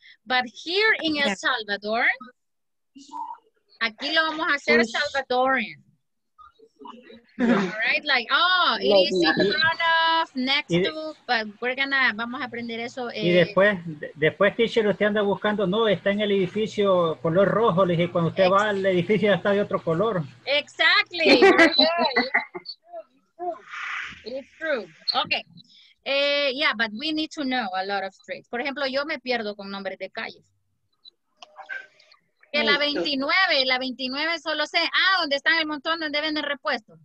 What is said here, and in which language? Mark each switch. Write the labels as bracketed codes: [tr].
[en] But here in El Salvador, [es] aquí lo vamos a hacer salvadorian. [en] right, like, oh, it is in front of, next to, but we're gonna, [es] vamos a aprender eso. Y después, después, teacher, usted anda buscando, no, está en el edificio color rojo, le dije, cuando usted va al edificio ya está de otro color. [en] Exactly, it's true, it's true, it's true, okay. Yeah, but we need to know a lot of streets. [es] Por ejemplo, yo me pierdo con nombres de calles. Que la 29, la 29 solo sé, ah, donde están el montón donde venden repuestos.